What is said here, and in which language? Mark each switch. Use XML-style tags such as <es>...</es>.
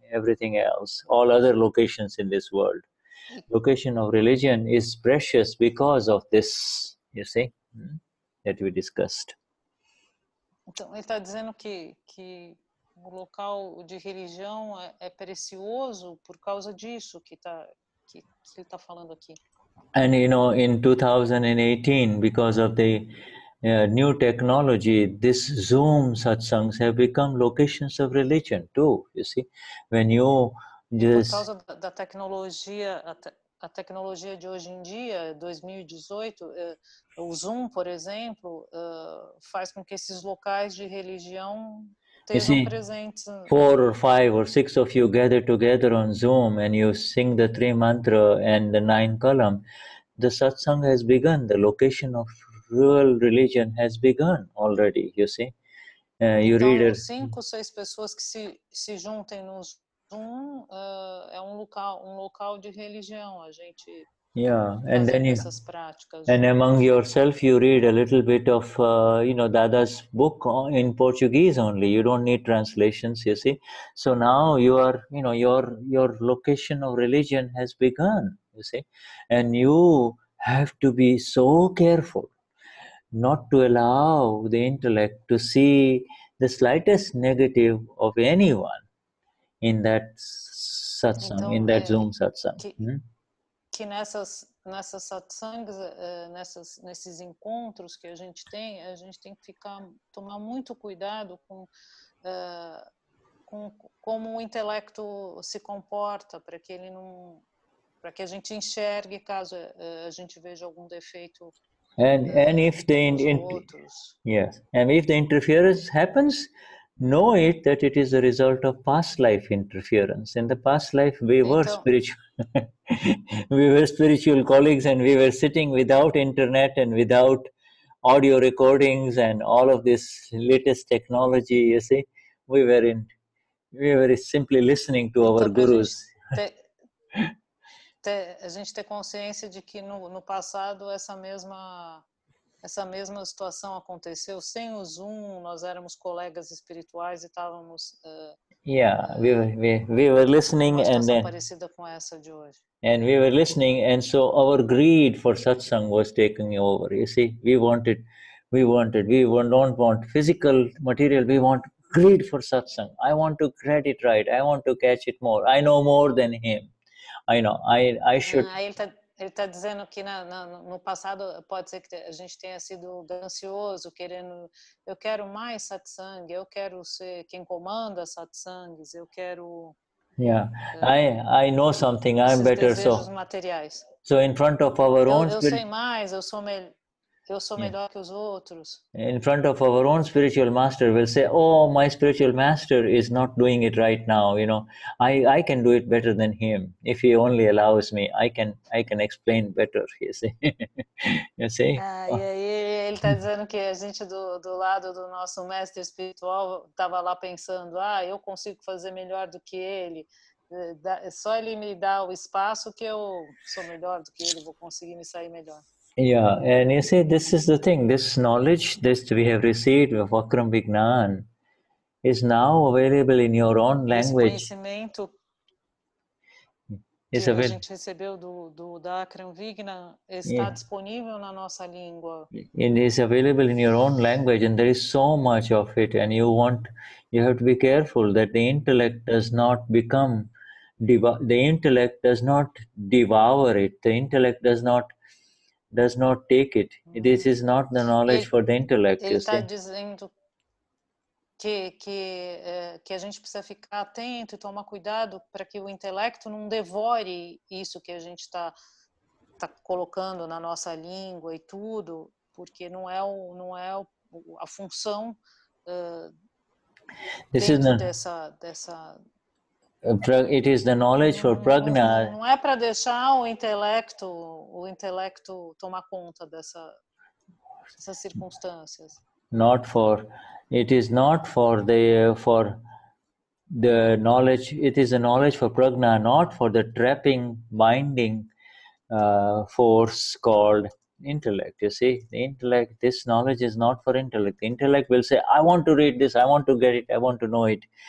<en>Everything else, all other locations in this world. Location of religion is precious because of this, you see, that we discussed.</en> <pt>Então, ele está dizendo que o local de religião é precioso por causa disso que ele está falando aqui.</pt> <en>And, you know, in 2018, because of the new technology, this Zoom satsangs have become locations of religion too, you see. When you just...</en> <pt>Por causa da tecnologia, a tecnologia de hoje em dia, 2018... O Zoom, por exemplo, faz com que esses locais de religião estejam presentes.</pt> <en>Four or five or six of you gather together on Zoom and you sing the three mantra and the nine column. the satsang has begun, the location of real religion has begun already, you see. You</en> <pt>então,</pt> <en>read it.</en> <pt>Cinco, seis pessoas que se juntem no Zoom é um local de religião, a gente.</pt> <en>Yeah, and then you, and among yourself, you read a little bit of, Dada's book in Portuguese only. You don't need translations, you see. So now you are, your location of religion has begun, you see. And you have to be so careful not to allow the intellect to see the slightest negative of anyone in that satsang, in that Zoom satsang.</en> <pt>Que nessas satsangs, nesses encontros que a gente tem que tomar muito cuidado com como o intelecto se comporta, para que ele não, para que a gente enxergue caso a gente veja algum defeito.</pt> <en>And if the interference happens, know it that it is a result of past life interference. In the past life, we were spiritual colleagues, and we were sitting without internet and without audio recordings and all of this latest technology, you see. We were simply listening to our gurus.</en> <pt>A gente ter consciência de que no passado essa mesma situação aconteceu sem o Zoom, nós éramos colegas espirituais e estávamos</pt> <en>we were listening and then</en> <pt>parecida com essa de hoje.</pt> <en>And we were listening, and so our greed for satsang was taking over, you see. We don't want physical material, we want greed for satsang. I want to get it right, I want to catch it more, I know more than him, I know I should.</en> <pt>Ele está dizendo que no passado pode ser que a gente tenha sido ganancioso, querendo, eu quero mais satsang, eu quero ser quem comanda satsangs, eu quero.</pt> <en>I know something, I'm better, so.</en> <pt>Materiais.</pt> <en>So in front of our own spirit.</en> <pt>Eu sei mais, eu sou melhor que os outros.</pt> <en>In front of our own spiritual master, we'll say, oh, my spiritual master is not doing it right now, you know. I can do it better than him. If he only allows me, I can explain better, you see. You see?</en> <pt>E aí ele está dizendo que a gente do lado do nosso mestre espiritual estava lá pensando, eu consigo fazer melhor do que ele. Só ele me dá o espaço que eu sou melhor do que ele, vou conseguir me sair melhor.</pt> <en>Yeah, and you see, this is the thing, this knowledge that we have received, Vakram Vignan, is now available in your own language.</en> <pt>Esse conhecimento que a gente recebeu do Vakram Vignan está disponível na nossa língua.</pt> <en>It is available in your own language, and there is so much of it, and you have to be careful that the intellect does not become, the intellect does not devour it, the intellect does not take it. This is not the knowledge for the intellect.</en> <pt>Ele está dizendo que a gente precisa ficar atento e tomar cuidado para que o intelecto não devore isso que a gente está colocando na nossa língua e tudo, porque não é a função dessa.</pt> <en>It is the knowledge for prajna.</en> <pt>Não é para deixar o intelecto tomar conta dessas circunstâncias.</pt> <en>Not for, it is not for the for the knowledge. It is a knowledge for prajna, not for the trapping, binding force called intellect. You see, the intellect. This knowledge is not for intellect. The intellect will say, "I want to read this. I want to get it. I want to know it."</en>